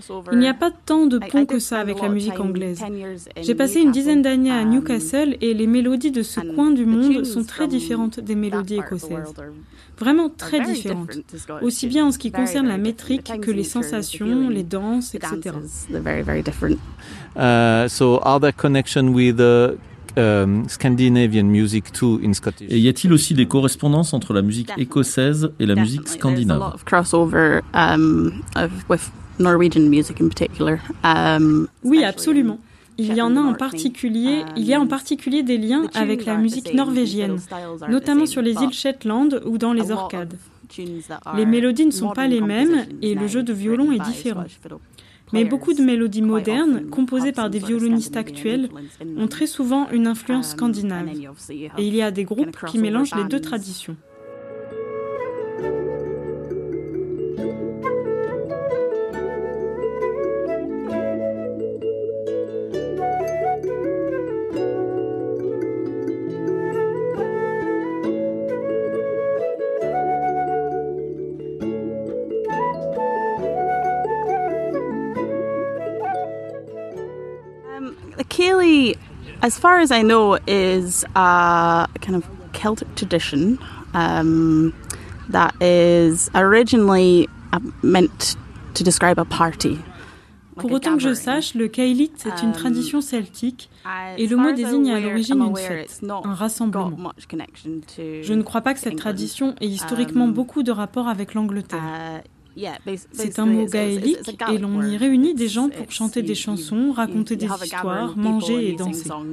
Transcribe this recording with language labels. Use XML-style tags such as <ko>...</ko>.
<fr>Il n'y a pas tant de pont que ça avec la musique anglaise. J'ai passé une dizaine d'années à Newcastle et les mélodies de ce coin du monde sont très différentes des mélodies écossaises. Vraiment très différentes, aussi bien en ce qui concerne la métrique que les sensations, les danses, etc.</fr> <en>They're very, very different. So, are there connections with the Scandinavian music too in Scottish?</en> <fr>Et y a-t-il aussi des correspondances entre la musique écossaise et la musique scandinave?</fr> <en>There's a lot of crossover with Norwegian music in particular.</en> <fr>Oui, absolument. Il y a en particulier des liens avec la musique norvégienne, notamment sur les îles Shetland ou dans les Orcades. Les mélodies ne sont pas les mêmes et le jeu de violon est différent. Mais beaucoup de mélodies modernes, composées par des violonistes actuels, ont très souvent une influence scandinave. Et il y a des groupes qui mélangent les deux traditions.</fr> <en>As far as I know, is a kind of Celtic tradition that is originally meant to describe a party.</en> <fr>Pour autant que je sache, le Caelic est une tradition celtique et le mot désigne à l'origine une fête, un rassemblement. Je ne crois pas que cette tradition ait historiquement beaucoup de rapport avec l'Angleterre. C'est un mot gaélique et l'on y réunit des gens pour chanter des chansons, raconter des histoires, manger et danser.</fr>